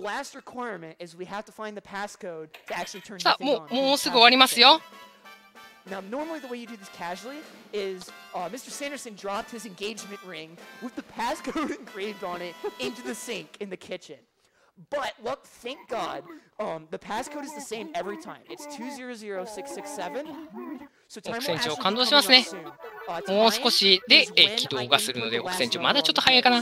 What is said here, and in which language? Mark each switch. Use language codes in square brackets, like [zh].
[ja] さあ、もうすぐ終わりますよ。 [en] Now, normally the way you do this casually is, Mr. Sanderson dropped his engagement ring with the passcode engraved on it into the sink in the kitchen. But, look, thank God, the passcode is the same every time. It's 200667. So, time will actually come up soon. [ja] もう少しで起動がするので、奥船長、まだちょっと早いかな。